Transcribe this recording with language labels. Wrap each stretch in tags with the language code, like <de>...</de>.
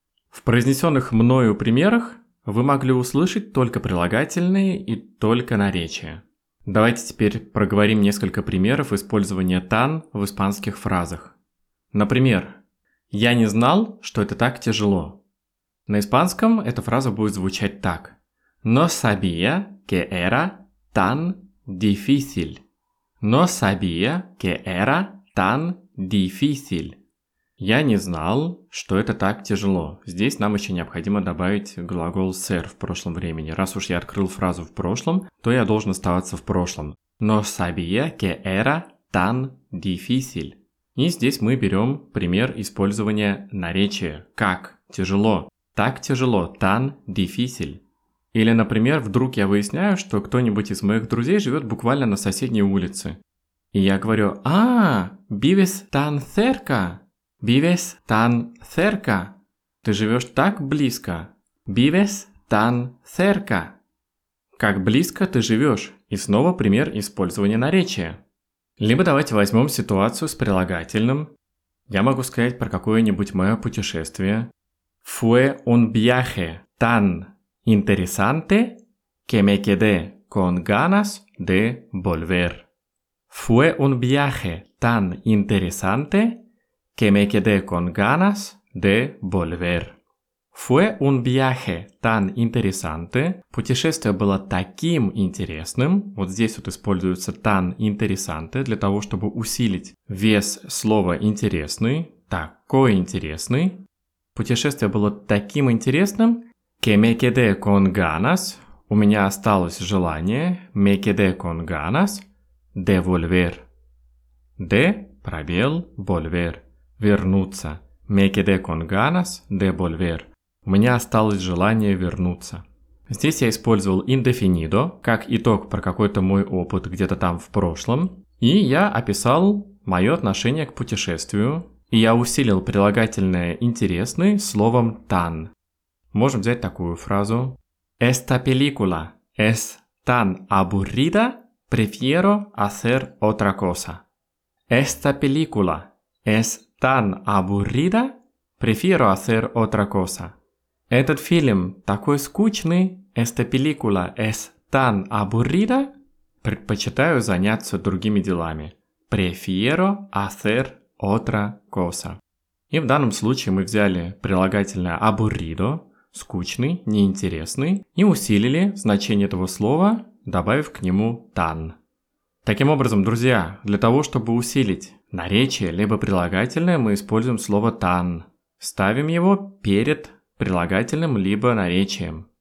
<ru>В произнесенных мною примерах вы могли услышать только прилагательные и только наречия. Давайте теперь проговорим несколько примеров использования «tan» в испанских фразах. Например, «я не знал, что это так тяжело». На испанском эта фраза будет звучать так.</ru> <es>No sabía que era tan difícil. No sabía que era tan difícil.</es> <ru>Я не знал, что это так тяжело. Здесь нам еще необходимо добавить глагол ser в прошлом времени. Раз уж я открыл фразу в прошлом, то я должен оставаться в прошлом.</ru> <es>No sabía que era tan difícil.</es> <ru>И здесь мы берем пример использования наречия «как тяжело». Так тяжело,</ru> <es>tan difícil.</es> <ru>Или, например, вдруг я выясняю, что кто-нибудь из моих друзей живет буквально на соседней улице. И я говорю,</ru> <es>vives tan cerca, vives tan cerca.</es> <ru>Ты живешь так близко,</ru> <es>vives tan cerca.</es> <ru>Как близко ты живешь. И снова пример использования наречия. Либо давайте возьмем ситуацию с прилагательным. Я могу сказать про какое-нибудь мое путешествие.</ru> <es>Fue un viaje tan interesante que me quedé con ganas de volver. Fue un viaje tan interesante que me quedé con ganas de volver. Fue un viaje tan interesante.</es> <ru>Путешествие было таким интересным. Вот здесь вот используется</ru> <es>tan interesante</es> <ru>для того, чтобы усилить вес слова интересный. Такой интересный. Путешествие было таким интересным,</ru> <es>que me quedé con ganas,</es> <ru>у меня осталось желание,</ru> <es>me quedé con ganas, de volver. De, пробел, volver, вернуться. Me quedé con ganas, de volver.</es> <ru>У меня осталось желание вернуться. Здесь я использовал indefinido, как итог про какой-то мой опыт где-то там в прошлом, и я описал мое отношение к путешествию, и я усилил прилагательное «интересный» словом «tan». Можем взять такую фразу.</ru> <es>Esta película es tan aburrida, prefiero hacer otra cosa. Esta película es tan aburrida, prefiero hacer otra cosa.</es> <ru>Этот фильм такой скучный.</ru> <es>Esta película es tan aburrida.</es> <ru>Предпочитаю заняться другими делами.</ru> <es>Prefiero hacer otra cosa.</es> <ru>И в данном случае мы взяли прилагательное aburrido, скучный, неинтересный, и усилили значение этого слова, добавив к нему tan. Таким образом, друзья, для того, чтобы усилить наречие либо прилагательное, мы используем слово tan. Ставим его перед прилагательным либо наречием.</ru>